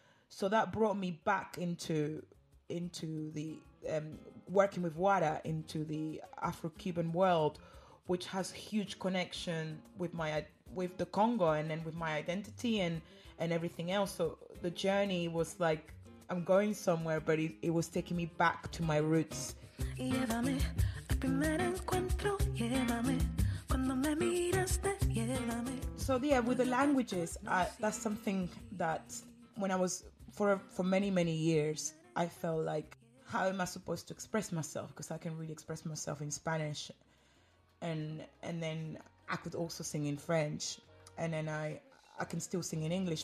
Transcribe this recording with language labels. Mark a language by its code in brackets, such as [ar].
[en] So that brought me back into the working with Wada, into the Afro-Cuban world, which has huge connection with the Congo, and then with my identity and everything else. So the journey was like, I'm going somewhere, but it was taking me back to my roots. [es] Llévame al primer encuentro, llévame cuando me miraste, llévame. [en] So yeah, with the languages, that's something that when I was for many, many years, I felt like, how am I supposed to express myself? Because I can really express myself in Spanish, and then I could also sing in French, and then I can still sing in English.